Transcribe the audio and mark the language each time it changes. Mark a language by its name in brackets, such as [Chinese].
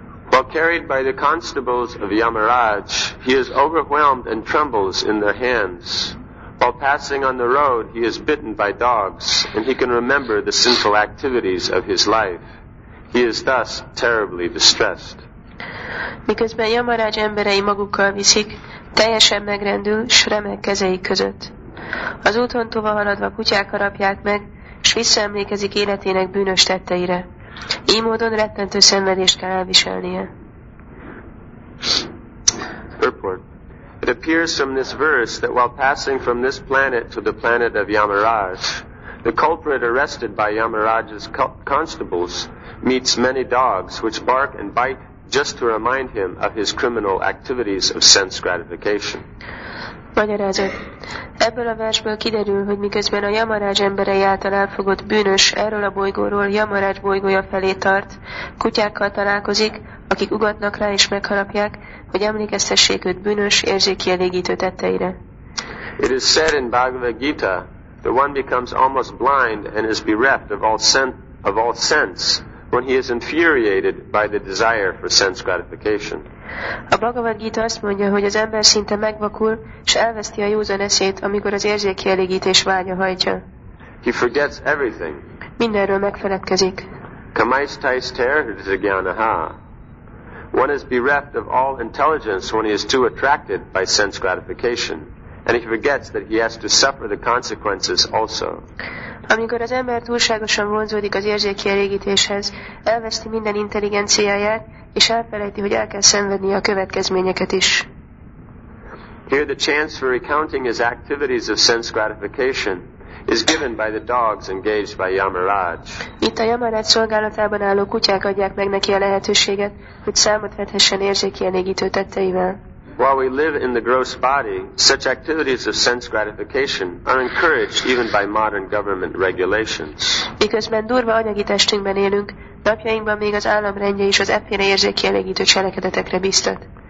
[English] While carried by the constables of Yamaraj, he is overwhelmed and trembles in their hands. While passing on the road, he is bitten by dogs, and he can remember the sinful activities of his life. He is thus terribly distressed. [Hungarian] Miközben Yamaraj emberei magukkal viszik, teljesen megrendül, s remeg kezei között. Az úton tovább haladva kutyák harapják meg, s visszaemlékezik életének bűnös tetteire. Így módon rettentő szenvedést kell elviselnie. [English] Purport. It appears from this verse that while passing from this planet to the planet of Yamaraj, the culprit arrested by Yamaraj's constables meets many dogs which bark and bite just to remind him of his criminal activities of sense gratification. [Hungarian] Magyarázat. Ebből a versből kiderül, hogy miközben a Yamaraj emberei által elfogott bűnös erről a bolygóról Yamaraj bolygója felé tart, kutyákkal találkozik, akik ugatnak rá és megharapják, hogy emlékeztessék őt bűnös, érzékielégítő tetteire. [English] It is said in Bhagavad Gita that one becomes almost blind and is bereft of all sense when he is infuriated by the desire for sense gratification. [Hungarian] A Bhagavad Gita azt mondja, hogy az ember szinte megvakul, s elveszti a józan eszét, amikor az érzékielégítés vágya hajtja. [English] He forgets everything. [Hungarian] Mindenről megfeledkezik. [English] One is bereft of all intelligence when he is too attracted by sense gratification, and he forgets that he has to suffer the consequences also. [Hungarian] Amikor az ember túlságosan vonzódik az érzékielégítéshez, elveszti minden intelligenciáját, és elfelejti, hogy el kell szenvednie a következményeket is. [English] Here the chance for recounting his activities of sense gratification is given by the dogs engaged by Yamaraj. [Hungarian] Itt a Yamaraj szolgálatában álló kutyák adják meg neki a lehetőséget, hogy számot vethessen érzékkielégítő tetteivel. [English] While we live in the gross body, such activities of sense gratification are encouraged even by modern government regulations. [Hungarian] Miközben durva anyagi testünkben élünk, napjainkban még az állam rendje is az efféle érzékkielégítő cselekedetekre biztat.